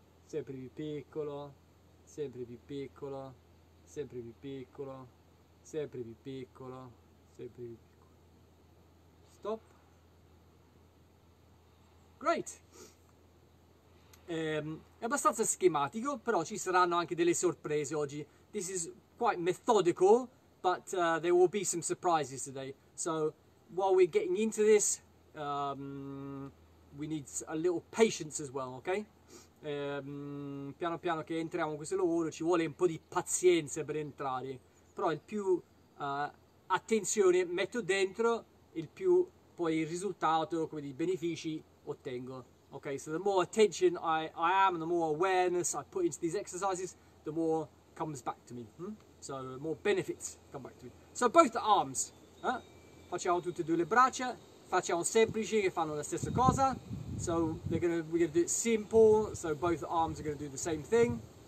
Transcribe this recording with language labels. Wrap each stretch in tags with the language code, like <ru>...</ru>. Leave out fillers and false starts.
<it>Sempre più piccolo, sempre più piccolo, sempre più piccolo, sempre più piccolo, sempre più piccolo. Stop.</it> <en>Great!</en> <it>È abbastanza schematico, però ci saranno anche delle sorprese oggi.</it> <en>This is quite methodical, but there will be some surprises today. So, while we're getting into this, we need a little patience as well, ok?</en> <it>Piano piano che entriamo in questo lavoro ci vuole un po' di pazienza per entrare, però il più attenzione metto dentro, il più poi il risultato, come dire, i benefici ottengo.</it> <en>Ok, so the more attention I am, the more awareness I put into these exercises, the more comes back to me, So more benefits come back to me. So both arms,</en> <it>Facciamo tutte e due le braccia, facciamo semplici che fanno la stessa cosa.</it> <en>So we're gonna do it simple, so both arms are gonna do the same thing.</en>